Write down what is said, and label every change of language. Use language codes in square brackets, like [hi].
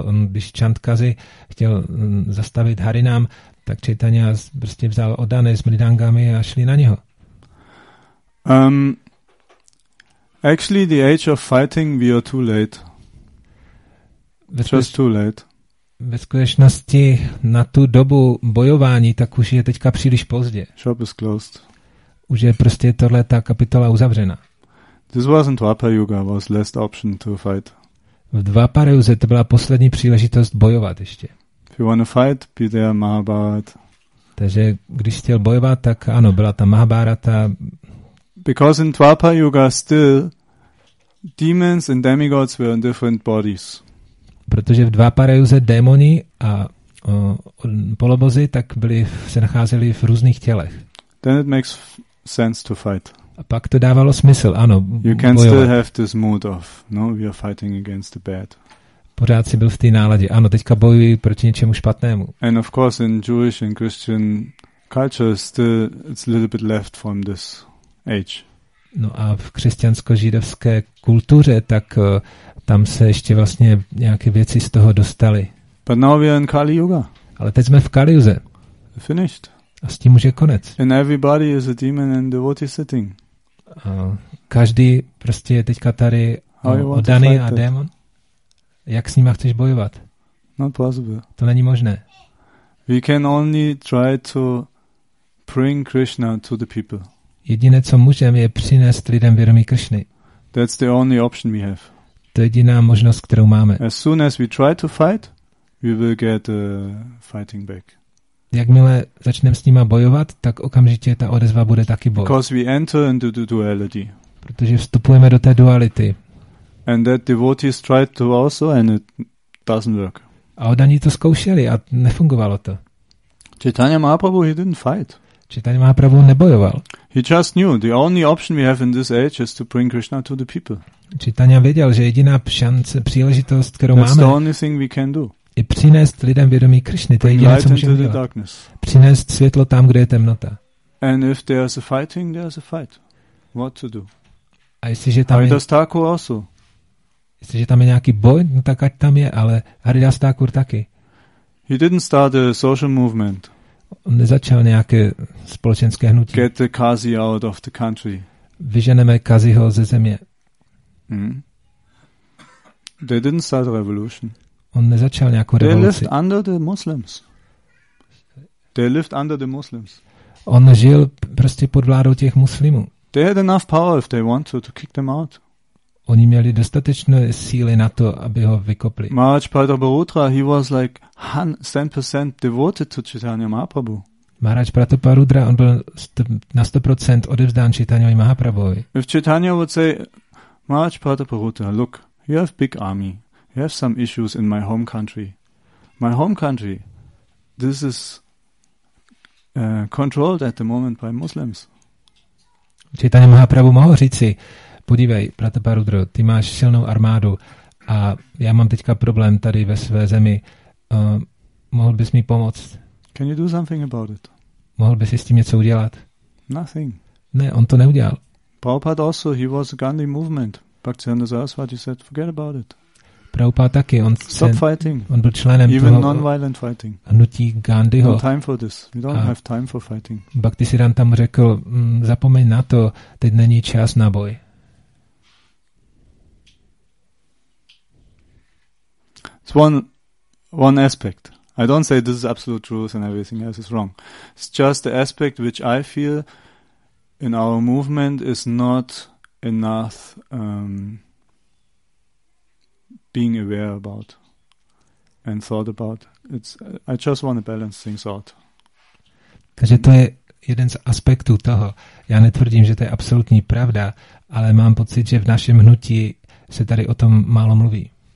[cs] On, když Chandkazi chtěl zastavit Harinam, tak Chaitanya prostě vzal odane s mridangami a šli na něho. [en] Actually, the age of fighting, we are too late. Just too late. [cs] Ve skutečnosti na tu dobu bojování, tak už je teďka příliš pozdě. [en] Shop is closed. [cs] Už je prostě tohle ta kapitola uzavřena. [en] This wasn't Dvapara Yuga, was last option to fight. [cs] V Dvapara Yuze to byla poslední příležitost bojovat ještě. [en] If you want to fight, be there Mahabharata. [cs] Takže když chtěl bojovat, tak ano, byla tam Mahabharata. [en] Because in Dvapara Yuga still demons and demigods were in different bodies. [cs] Protože v Dvapara Yuze démoni a polobozy tak byli se nacházeli v různých tělech. [en] Then it makes sense to fight. [cs] A pak to dávalo smysl, ano. [en] You can [cs] bojovat. [en] Still have this mood of, no, we are fighting against the bad. [cs] Pořád si byl v té náladě. Ano, teďka bojuji proti něčemu špatnému. [en] And of course in Jewish and Christian culture still it's a little bit left from this age. [cs] No a v křesťansko-židovské kultuře, tak tam se ještě vlastně nějaké věci z toho dostaly. [en] But now we are in Kali Yuga. [cs] Ale teď jsme v Kali Yuze. [en] Finished. [cs] A s tím už je konec. [en] And everybody is a demon and devotee sitting. [cs] A každý prostě je teďka tady oddaný a démon. Jak s nima chceš bojovat? [en] Not possible. [cs] To není možné. [en] We can only try to bring Krishna to the people. [cs] Jediné, co můžeme, je přinést lidem vědomí Krishny. [en] That's the only option we have. [cs] To je jediná možnost, kterou máme. [en] As soon as we try to fight, we will get a fighting back. [cs] Jakmile začneme s nima bojovat, tak okamžitě ta odezva bude taky boj. [en] Because we enter into the duality. [cs] Protože vstupujeme do té duality. [en] And that devotees tried to also and it doesn't work. [cs] A oddaní to zkoušeli a nefungovalo to. [en] Chaitanya Mahaprabhu, he didn't fight. [cs] Chaitanya Mahaprabhu nebojoval. [en] He just knew the only option we have in this age is to bring Krishna to the people. [cs] Chaitanya věděl, že jediná šance, příležitost, kterou [en] That's [cs] máme. [en] That's the only thing we can do. [cs] Je přinést lidem vědomí Krišny, to je jediné, co můžeme dělat. Přinést světlo tam, kde je temnota. [en] And if there is a fighting, there is a fight. What to do? [cs] A jestliže tam [en] Haridas Thakur also. [cs] Jestliže tam je nějaký boj, no tak ať tam je, ale Haridas Thakur taky. [en] He didn't start a social movement. [cs] On nezačal nějaké společenské hnutí. [en] Get the Kazi out of the country. [cs] Vyženeme Kaziho ze země. [en] They didn't start a revolution. [cs] On nezačal nějakou revoluci. [en] They lived under the Muslims. They lived under the Muslims. [cs] On žil prostě pod vládou těch muslimů. [en] They had enough power if they want to kick them out. [cs] Oni měli dostatečné síly na to, aby ho vykopli. [en] Maharaj Pratapa, he was like 100% devoted to Chaitanya Mahaprabhu. [cs] Maharaj Pratapa Rudra, on byl na 100% odevzdán Chaitanyovi Mahaprabhovi. [en] If Chaitanya would say, Maharaj Pratapa Rudra, look, you have big army. I have some issues in my home country. My home country, this is controlled at the moment by Muslims. [cs] Chaitanya Mahaprabhu mohl říci, podívej, Pratapa Rudro, ty máš silnou armádu a já mám teďka problém tady ve své zemi. Mohl bys mi pomoct? [en] Can you do something about it? [cs] Mohl bys si s tím něco udělat? [en] Nothing. [cs] Ne, on to neudělal. [en] Prabhupada also, he was a Gandhi movement. Bhaktisiddhanta Saraswati said, forget about it. [cs] Prabhupada taky, on byl členem [en] Even [cs] toho [en] non-violent fighting. [cs] Hnutí Gandhiho. [en] No time for this. We don't have time for fighting. [cs] Bhaktisiddhanta mu řekl, zapomeň na to, teď není čas na boj. [en] It's one aspect. I don't say this is absolute truth and everything else is wrong. It's just the aspect which I feel in our movement is not enough being aware about and thought about. I just want to balance things out. [cs] Takže to je jeden z aspektů toho. Já netvrdím, že to je absolutní pravda, ale mám pocit, že v našem hnutí se tady o tom málo mluví.